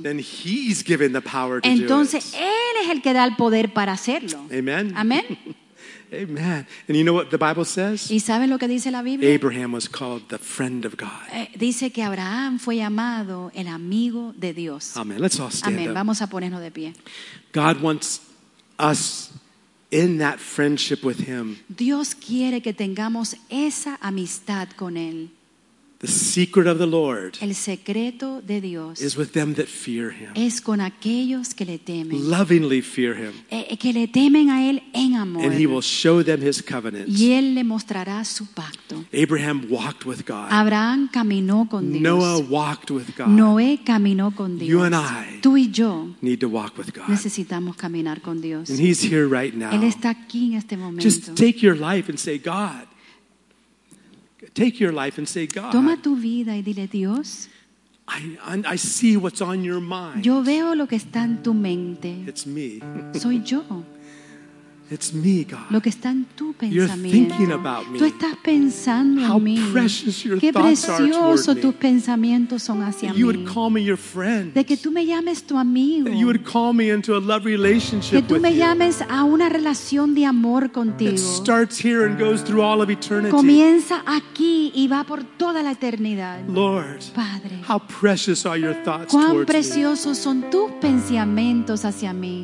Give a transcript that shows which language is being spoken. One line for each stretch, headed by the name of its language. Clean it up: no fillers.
English: Then he's given the power to
Spanish: Entonces,
English: do it.
Spanish: Entonces él es el que da el poder para hacerlo.
English: Amen.
Spanish: Amen.
English: Amen. And you know what the Bible says?
Spanish: ¿Y sabes lo que dice la Biblia?
English: Abraham was called the friend of God.
Spanish: Dice que Abraham fue llamado el amigo de Dios.
English: Amen. Let's all stand
Spanish: Amen.
English: Up.
Spanish: Vamos a ponernos de pie.
English: God wants us in that friendship with him.
Spanish: Dios quiere que tengamos esa amistad con él.
English: The secret of the Lord.
Spanish: El secreto de Dios.
English: Is with them that fear him.
Spanish: Es con aquellos que le temen.
English: Lovingly fear him.
Spanish: Que le temen a él en amor.
English: And he will show them his covenant.
Spanish: Y él le mostrará su pacto.
English: Abraham walked with God.
Spanish: Abraham caminó con Dios.
English: Noah walked with God.
Spanish: Noé caminó con Dios.
English: You and I.
Spanish: Tú y yo.
English: Need to walk with God.
Spanish: Necesitamos caminar con Dios.
English: And he's here right now.
Spanish: Él está aquí en este momento.
English: Just take your life and say, God. Take your life and say, God.
Spanish: Toma tu vida y dile, Dios.
English: I see what's on your mind.
Spanish: Yo veo lo que está en tu mente.
English: It's me.
Spanish: Soy yo.
English: It's me, God.
Spanish: Lo que está en tu pensamiento.
English: You're thinking about me.
Spanish: Tú estás pensando
English: How
Spanish: en mí.
English: How precious your
Spanish: Qué
English: thoughts are toward me.
Spanish: Qué precioso tus pensamientos son hacia mí.
English: You would call me your friend.
Spanish: De que tú me llames tu amigo.
English: You would call me into a love relationship with you.
Spanish: Que tú me llames a una relación de amor contigo.
English: It starts here and goes through all of eternity.
Spanish: Comienza aquí y va por toda la eternidad.
English: Lord,
Spanish: Padre,
English: How precious are your thoughts towards me.
Spanish: Cuán preciosos son tus pensamientos hacia mí.